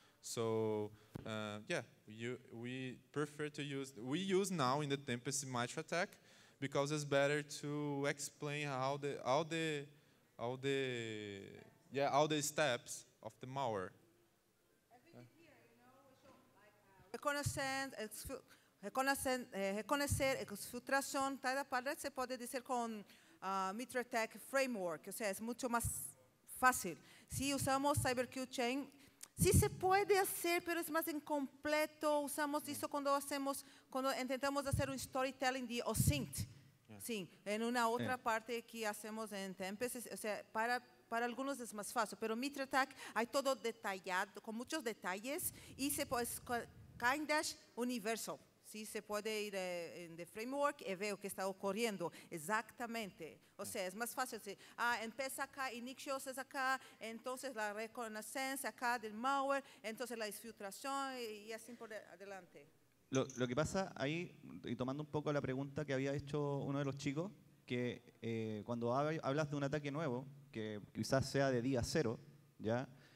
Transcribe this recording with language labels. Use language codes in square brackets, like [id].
[en] So yeah, we prefer to use, we use now in the Tempest Mitre attack, because it's better to explain how the all the steps of the malware. [pt] Reconhecer exfiltração, cada parte você pode dizer com Mitre Attack Framework, ou seja, é muito mais fácil. Se usamos Cyber Kill Chain, sim, se pode fazer, mas é mais incompleto. Usamos isso quando fazemos, quando tentamos fazer um storytelling de OSINT. Sim, em uma outra parte que fazemos em Tempest, ou seja, para alguns é mais fácil, mas Mitre Attack, há todo detalhado, com muitos detalhes, e se pode, [en] kind of universal. [pt] Sim, se pode ir em [en] the framework [pt] e ver o que está ocorrendo exatamente. Ou seja, é mais fácil dizer, [es] empieza acá, inicios es acá, entonces la reconocencia acá del malware, entonces la exfiltración y así por adelante. Lo que pasa ahí, y tomando un poco la pregunta que había hecho uno de los chicos, que cuando hablas de un ataque nuevo, que quizás sea de día cero, ¿ya?